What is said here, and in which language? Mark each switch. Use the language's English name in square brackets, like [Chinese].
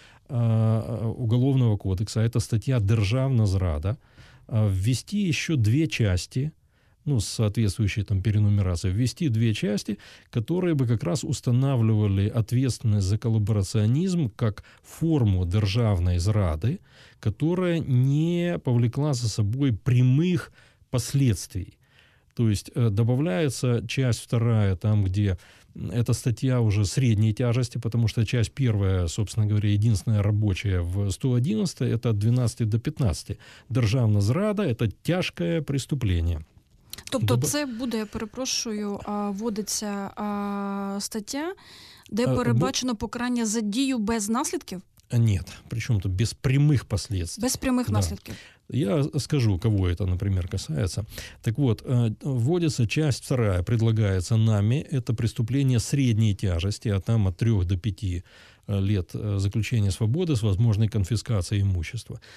[Russian] Уголовного кодекса, это статья «Державнозрада», ввести еще две части, ну, с соответствующей там перенумерацией, ввести две части, которые бы как раз устанавливали ответственность за коллаборационизм как форму державной зрады, которая не повлекла за собой прямых последствий. То есть добавляется часть вторая, там, где эта статья уже средней тяжести, потому что часть первая, собственно говоря, единственная рабочая в 111, это от 12 до 15. Державная зрада – это тяжкое преступление. [Ukrainian] Тобто це буде, я перепрошую, вводиться стаття, де передбачено покарання за дію без наслідків? [Russian] Нет, [Ukrainian] причому-то [Russian] без [Ukrainian] прямих [Russian] последствий. [Ukrainian] Без прямих наслідків. [Russian] Я скажу, кого это, например, касается. Так вот, вводится часть вторая, предлагается нами, это преступление средней тяжести, а там от 3 до 5 лет заключения свободы с возможной конфискацией имущества.